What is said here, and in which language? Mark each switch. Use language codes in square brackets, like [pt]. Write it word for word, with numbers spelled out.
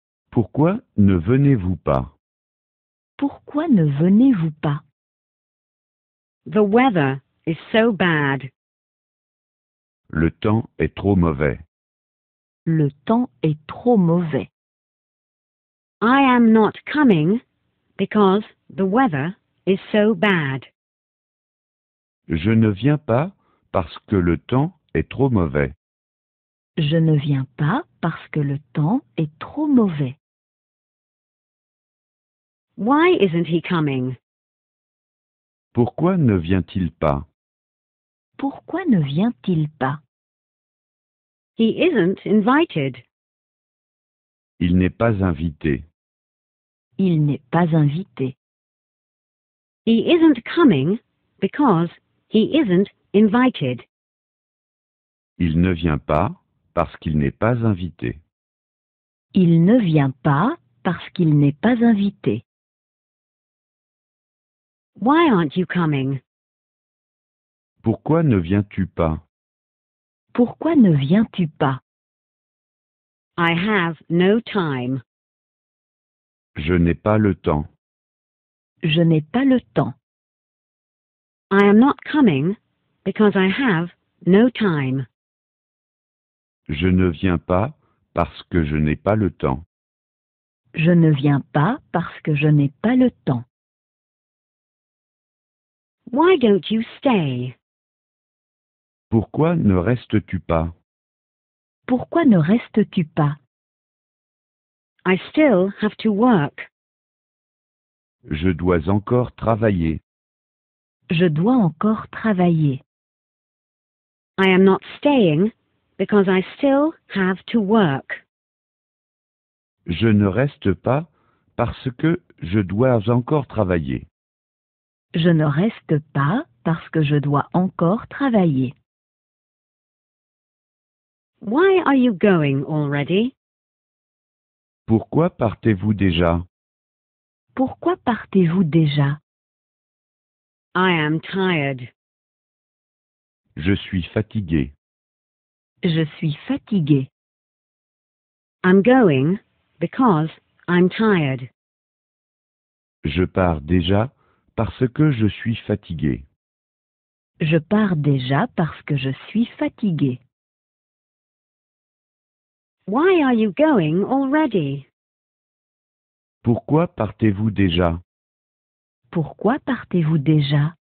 [fr] Pourquoi ne venez-vous pas? Pourquoi ne venez-vous pas? [en] The weather is so bad. [fr] Le temps est trop mauvais. Le temps est trop mauvais. [en] I am not coming because the weather is so bad. [fr] Je ne viens pas parce que le temps est trop mauvais. Je ne viens pas parce que le temps est trop mauvais. [en] Why isn't he coming? [fr] Pourquoi ne vient-il pas? Pourquoi ne vient-il pas? [en] He isn't invited. [fr] Il n'est pas invité. Il n'est pas invité. [en] He isn't coming because he isn't invited. [fr] Il ne vient pas parce qu'il n'est pas invité. Il ne vient pas parce qu'il n'est pas invité. [en] Why aren't you coming? [fr] Pourquoi ne viens-tu pas? Pourquoi ne viens-tu pas? [en] I have no time. [fr] Je n'ai pas le temps. Je n'ai pas le temps. [en] I am not coming because I have no time. [fr] Je ne viens pas parce que je n'ai pas le temps. Je ne viens pas parce que je n'ai pas le temps. [en] Why don't you stay? [fr] Pourquoi ne restes-tu pas? Pourquoi ne restes-tu pas? [en] I still have to work. [fr] Je dois encore travailler. Je dois encore travailler. [en] I am not staying because I still have to work. [fr] Je ne reste pas parce que je dois encore travailler. Je ne reste pas parce que je dois encore travailler. [en] Why are you going already? [fr] Pourquoi partez-vous déjà? Pourquoi partez-vous déjà? [en] I am tired. [fr] Je suis fatigué. Je suis fatigué. [en] I'm going because I'm tired. [fr] Je pars déjà parce que je suis fatigué. Je pars déjà parce que je suis fatigué. [en] Why are you going already? [fr] Pourquoi partez-vous déjà? Pourquoi partez-vous déjà?